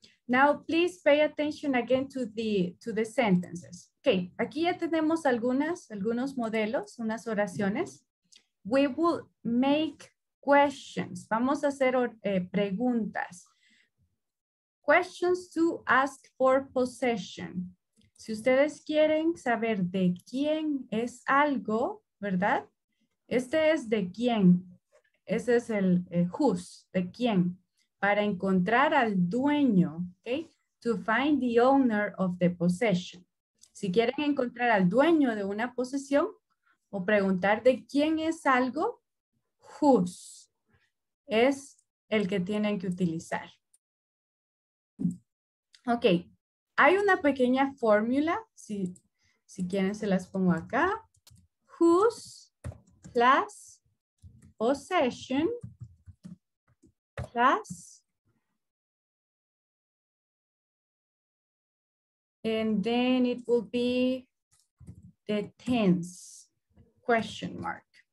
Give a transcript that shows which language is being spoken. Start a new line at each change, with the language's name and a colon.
English: Now, please pay attention again to the sentences.
Spanish: Okay, aquí ya tenemos algunos modelos, unas oraciones.
English: We will make questions.
Spanish: Vamos a hacer preguntas.
English: Questions to ask for possession.
Spanish: Si ustedes quieren saber de quién es algo, ¿verdad? Este es de quién. Ese es el whose, de quién. Para encontrar al dueño, ¿ok?
English: To find the owner of the possession.
Spanish: Si quieren encontrar al dueño de una posesión o preguntar de quién es algo, whose es el que tienen que utilizar. Ok, hay una pequeña fórmula, si quieren se las pongo acá.
English: Whose plus possession plus and then it will be the tense question mark.